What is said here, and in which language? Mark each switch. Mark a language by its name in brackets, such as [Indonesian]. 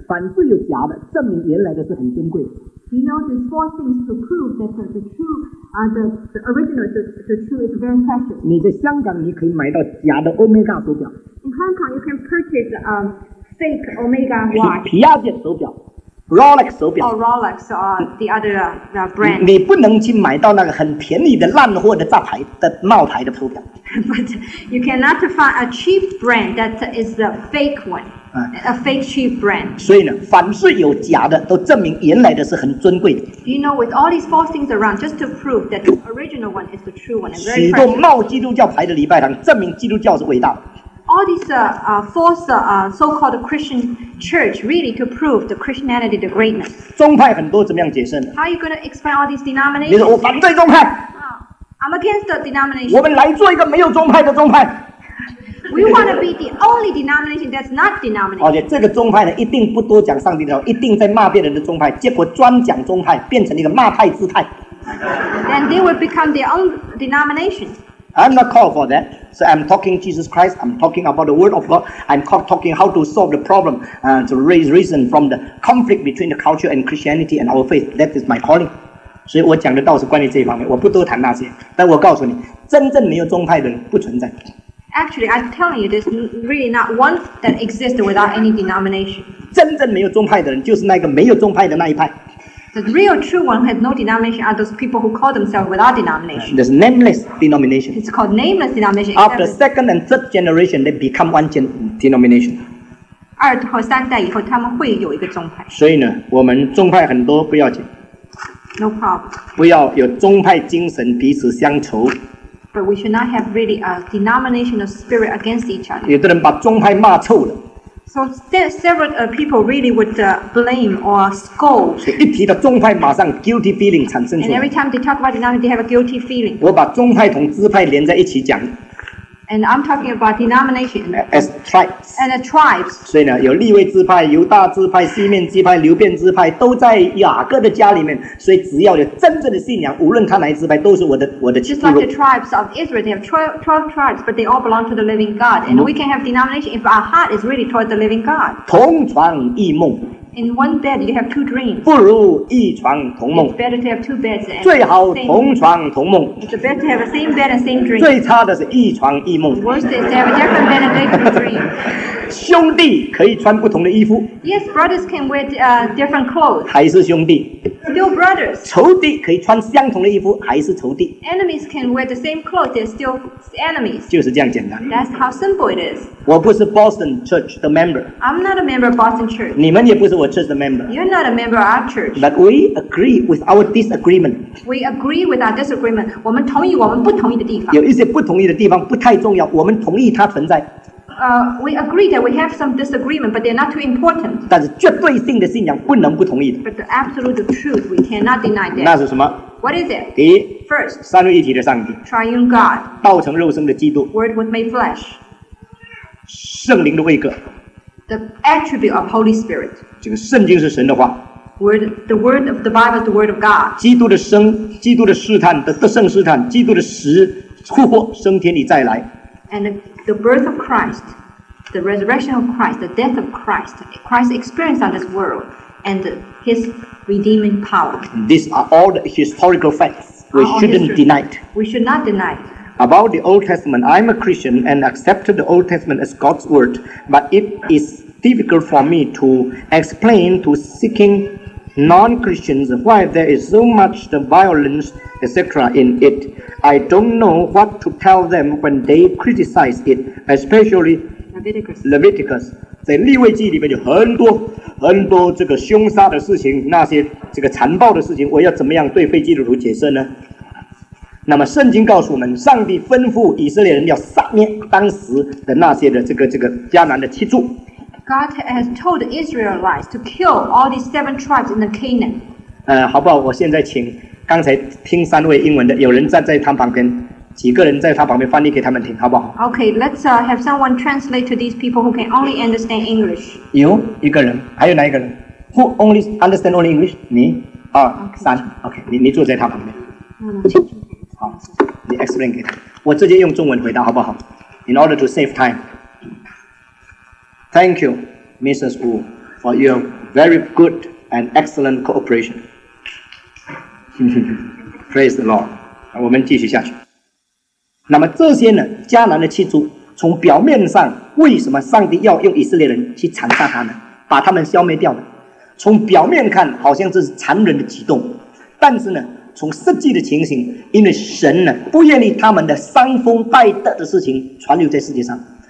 [Chinese] 凡是有假的，证明原来的是很珍贵。 [English] You know, there's four things to prove that the original, the true is very precious. [Chinese] 你在香港，你可以买到假的 Omega 手表。 [English] In Hong Kong, you can purchase a fake Omega watch. [Chinese] 皮亚杰手表 ，Rolex 手表。 [English] Or Rolex or the other the brand. [Chinese] 你不能去买到那个很便宜的烂货的杂牌的冒牌的手表。 [English] But you cannot find a cheap brand that is the fake one. A fake cheap brand. [Chinese] 所以呢，凡是有假的，都证明原来的是很尊贵的。 [English] You know, with all these false things around, just to prove that the original one is the true one, and very [Chinese] precious. 许多冒基督教牌的礼拜堂，证明基督教是伟大的。 [English] All these false so-called Christian church really to prove the Christianity, the greatness. [Chinese] 宗派很多，怎么样解释呢？ [English] How are you going to explain all these denominations? [Chinese] 你说我反对宗派。 [English] I'm against the denomination. [Chinese] 我们来做一个没有宗派的宗派。 [English] We want to be the only denomination that's not denominated. [Chinese] 而且这个宗派呢，一定不多讲上帝的话，一定在骂别人的宗派，结果专讲宗派，变成一个骂派姿态。 [English] Then they will become their own denomination. I'm not called for that. So I'm talking Jesus Christ. I'm talking about the Word of God. I'm talking how to solve the problem, to raise reason from the conflict between the culture and Christianity and our faith. That is my calling. [Chinese] 所以我讲的道是关于这一方面，我不多谈那些。但我告诉你，真正没有宗派的人不存在。 [English] Actually, I'm telling you, there's really not one that exists without any denomination. [Chinese] 真正没有宗派的人，就是那个没有宗派的那一派。 [English] The real true one who has no denomination are those people who call themselves without denomination. There's nameless denomination. It's called nameless denomination. After second and third generation, they become one denomination. [Chinese] 二和三代以后，他们会有一个宗派。所以呢，我们宗派很多不要紧。 [English] No problem. [Chinese] 不要有宗派精神，彼此相仇。 [English] But we should not have really a denominational spirit against each other. [Chinese] 有的人把宗派骂臭了。 [English] So several people really would blame or scold. [Chinese] 一提到宗派，马上 [English] guilty feeling [Chinese] 产生出来。 [English] And every time they talk about denomination, they have a guilty feeling. [Chinese] 我把宗派同支派连在一起讲。 [English] And I'm talking about denomination. As tribes. And the tribes. [Chinese] 所以呢，有利未支派、犹大支派、西面支派、流便支派，都在雅各的家里面。所以只要有真正的信仰，无论他哪一支派，都是我的 [English] 亲属。Just like the tribes of Israel, they have 12 tribes, but they all belong to the living God. And we can have denomination if our heart is really toward the living God. [Chinese] 同床异梦。 [English] In one bed, you have two dreams. [Chinese] 不如一床同梦。 [English] It's better to have two beds. [Chinese] 最好同床同梦。 [English] It's better to have the same bed and same dream. [Chinese] 最差的是一床一梦。 [English] Worst is to have a different bed and different dream. [Chinese] 兄弟可以穿不同的衣服。 [English] Yes, brothers can wear different clothes. [Chinese] 还是兄弟。 [English] Still brothers. [Chinese] 仇敌可以穿相同的衣服，还是仇敌。 [English] Enemies can wear the same clothes. They're still enemies. [Chinese] 就是这样简单。 [English] That's how simple it is. [Chinese] 我不是 Boston Church 的 member. [English] I'm not a member of Boston Church. [Chinese] 你们也不是我。Church member. [English] You're not a member of our church. But we agree with our disagreement. We agree with our disagreement. [Chinese] 我们同意我们不同意的地方。有一些不同意的地方不太重要，我们同意它存在。 [English] We agree that we have some disagreement, but they're not too important. [Chinese] 但是绝对性的信仰不能不同意的。 [English] But the absolute truth, we cannot deny that. [Chinese] 那是什么？ [English] What is it? [Chinese] 第一。 [English] First. [Chinese] 三位一体的上帝。 [English] Triune God. [Chinese] 道成肉身的基督。 [English] Word was made flesh. [Chinese] 圣灵的位格。 [English] The attribute of Holy Spirit. [Chinese] 这个圣经是神的话。 [English] Word, the word of the Bible is the word of God. 基督的生，基督的试探，得胜试探，基督的死，复活，升天里再来。 And the birth of Christ, the resurrection of Christ, the death of Christ, Christ's experience on this world, and his redeeming power. These are all the historical facts. We shouldn't deny it. We should not deny it. About the Old Testament, I'm a Christian and accepted the Old Testament as God's word, but it is difficult for me to explain to seeking non-Christians why there is so much the violence, etc. in it. I don't know what to tell them when they criticize it, especially Leviticus. [Chinese] 在立位记里面有很多很多这个凶杀的事情，那些这个残暴的事情，我要怎么样对非基督徒解释呢？那么圣经告诉我们，上帝吩咐以色列人要杀灭当时的那些的这个迦南的七族。 [English] God has told Israelites to kill all these seven tribes in the Canaan. [Chinese] 好不好？我现在请刚才听三位英文的，有人站在他旁边，几个人在他旁边翻译给他们听，好不好 [English] ？Okay, let's have someone translate to these people who can only understand English. [Chinese] 有一个人，还有哪一个人 ？ [English] Who only understand only English? [Chinese] 你二、 [English] okay. [Chinese] 三 ，OK， 你坐在他旁边。嗯，好，你 explain 给他，我直接用中文回答，好不好 ？ [English] In order to save time. Thank you, Mrs. Wu, for your very good and excellent cooperation. Praise the Lord. [Chinese] 我们继续下去。那么这些呢，迦南的弃族，从表面上为什么上帝要用以色列人去残杀他们，把他们消灭掉呢？从表面看好像这是残忍的举动，但是呢，从实际的情形，因为神呢不愿意他们的伤风败德的事情传留在世界上，